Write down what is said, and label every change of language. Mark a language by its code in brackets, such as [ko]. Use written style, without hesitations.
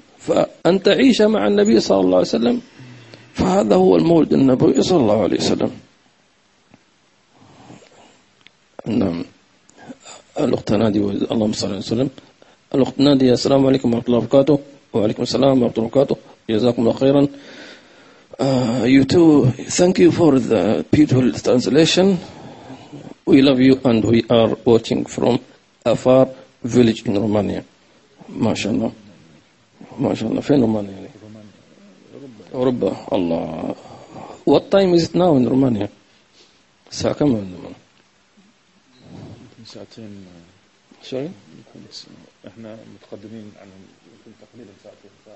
[ar] فأن تعيش مع النبي صلى الله عليه وسلم فهذا هو المولد النبوي صلى الله عليه وسلم. نعم الأخت نادي، اللهم صل وسلم. الأخت نادي، السلام عليكم ورحمة الله وبركاته. وعليكم السلام ورحمة الله وبركاته، جزاكم الله خيرا. [en] You too, thank you for the beautiful translation. We love you and we are watching from a far village in Romania. [ar] ما شاء الله ما شاء الله، فين رومانيا؟ أوروبا. [en] الله، what time is it now in Romania؟ [ar] ساعة كم من زمان؟ ساعتين. سوري؟ احنا متقدمين عن تقليل ساعتين.